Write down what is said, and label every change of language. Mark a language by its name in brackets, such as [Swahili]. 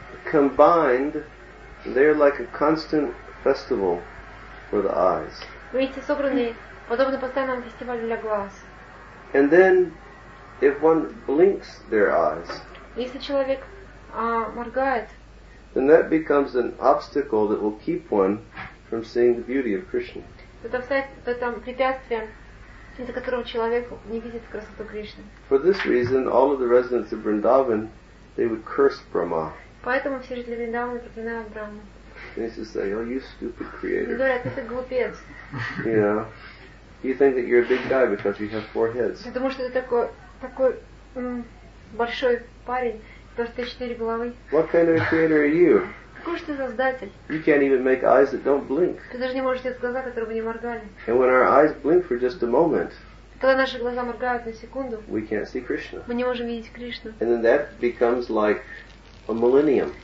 [English] combined, they're like a constant festival for the eyes. [Russian] Видите, собраны подобно постоянному фестивалю для глаз. [English] And then if one blinks their eyes, [Russian] если человек моргает, [English] then that becomes an obstacle that will keep one from seeing the beauty of Krishna. [Russian] Это препятствие, из-за которого человек не видит красоту Кришны. [English] For this reason, all of the residents of Vrindavan, they would curse Brahma. [Russian] Поэтому все жители Вриндавана проклинают Брахму. [English] They used to say, "Oh, you stupid creator." [Russian] Они говорят, ты глупец. [English] Yeah. You think that you're a big guy because you have four heads. [Russian] Потому что ты такой большой парень, потому что ты четыре головы. [English] What kind of a creator are you? [Russian] Какой же ты создатель? [English] You can't even make eyes that don't blink. [Russian] Ты даже не можешь делать глаза, которые бы не моргали. [English] And when our eyes blink for just a moment, [Russian] когда наши глаза моргают на секунду, [English] we can't see Krishna. [Russian] Мы не можем видеть Кришну. [English] And then that becomes like a millennium.